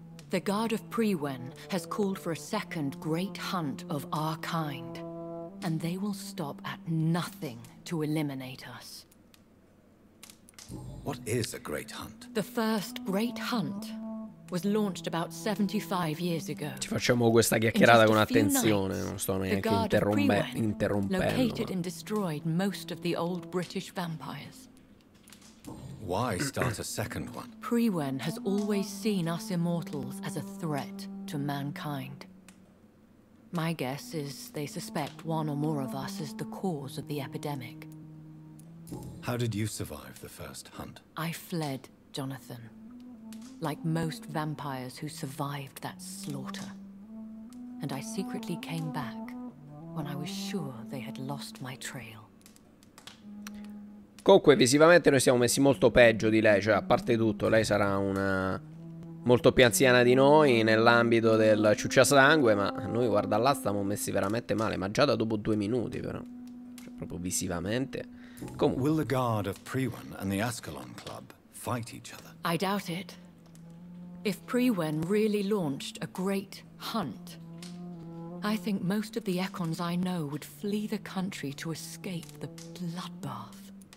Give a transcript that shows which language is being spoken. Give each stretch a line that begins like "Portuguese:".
English: The Guard of Priwen has called for a second great hunt of our kind, and they will stop at nothing to eliminate us. What is a great hunt? The first great hunt was launched about 75 years ago.
Italian: Ci facciamo questa chiacchierata con attenzione, non sto neanche interrompendo.
English: Located and destroyed most of the old British vampires. Why start a second one? Priwen has always seen us immortals as a threat to mankind. My guess is they suspect one or more of us as the cause of the epidemic. How did you survive the first hunt? I fled, Jonathan. Like most vampires who survived that slaughter. And I secretly came back when I was sure they had lost my trail.
Italian: Comunque, visivamente noi siamo messi molto peggio di lei. Cioè, a parte tutto, lei sarà una molto più anziana di noi nell'ambito del ciucciasangue, ma noi, guarda là, stiamo messi veramente male, ma già da dopo 2 minuti, però, cioè, proprio visivamente. Comunque.
English: Will the guard of Priwen and the Ascalon Club fight each other? I doubt it. If Priwen really launched a great hunt, I think most of the Ekons I know would flee the country to escape the bloodbath.